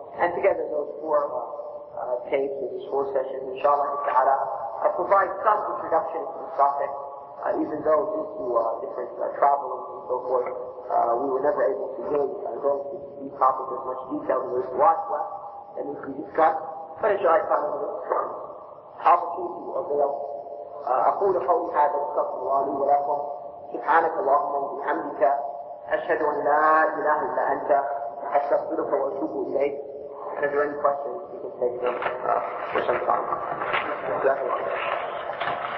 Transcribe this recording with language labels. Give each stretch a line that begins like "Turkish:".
English: And together, those four tapes, or these four sessions, inshallah, ta'ala, provide some introduction to the topic. Even though due to different travels and so forth, we were never able to really go into these topics as much detail as we want left and as we discuss. But inshallah, I found another opportunity available.
Arabic: أقول قولي هذا استغفر الله لي ولكم سبحانك اللهم وبحمدك أشهد أن لا إله إلا أنت أستغفرك وأتوب إليك.
English: And if there are any questions, you can take them for some time. Exactly.